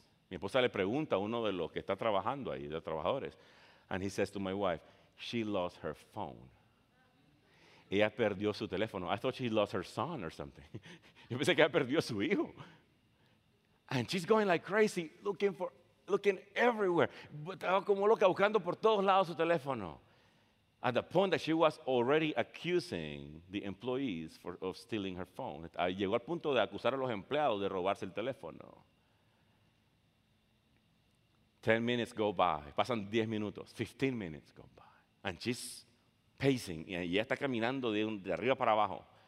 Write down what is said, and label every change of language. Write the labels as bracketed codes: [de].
[es] Mi esposa le pregunta a uno de los que está trabajando ahí, de trabajadores. [en] And he says to my wife, she lost her phone. [es] Ella perdió su teléfono. [en] I thought she lost her son or something. [es] Yo pensé que ella perdió su hijo. [en] And she's going like crazy, looking everywhere. [es] Estaba como loca, buscando por todos lados su teléfono. [en] At the point that she was already accusing the employees of stealing her phone. [es] Llegó al punto de acusar a los empleados de robarse el teléfono. [en] 10 minutes go by. [es] Pasan 10 minutos. [en] 15 minutes go by. And she's pacing. [es] Y ella está caminando de arriba para abajo.